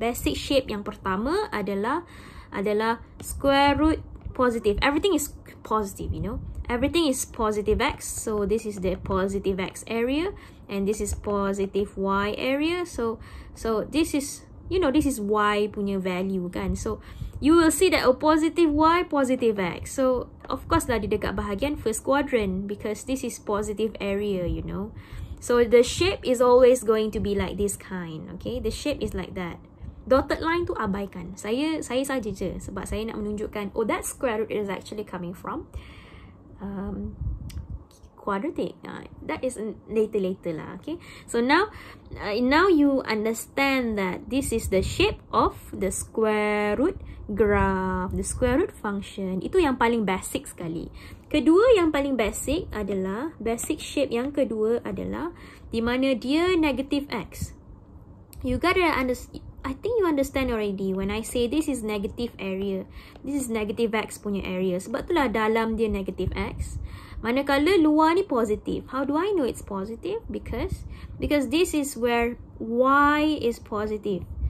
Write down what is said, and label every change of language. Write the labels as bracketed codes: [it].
[en] Basic shape [ms] yang pertama adalah [en] square root positive. Everything is positive, you know. Everything is positive x. So this is the positive x area, and this is positive y area. So this is, you know, this is y punya value kan. So, you will see that a positive y, positive x. So, of course lah, [ms] di dekat bahagian [en] first quadrant. Because this is positive area, you know. So, the shape is always going to be like this kind. Okay, the shape is like that. Dotted line [ms] tu abaikan. Saya saja je. Sebab saya nak menunjukkan, [en] oh, that square root is actually coming from quadratic. That is later lah. Okay, so now you understand that this is the shape of the square root graph, the square root function. [ms] Itu yang paling basic sekali. Kedua yang paling basic adalah, basic shape yang kedua adalah di mana dia negative x. [en] You gotta understand, I think you understand already when I say this is negative area. This is negative x punya area. [ms] Sebab itulah dalam dia [en] negative x. [ms] Manakala luar ni [en] positive. How do I know it's positive? Because this is where y is positive.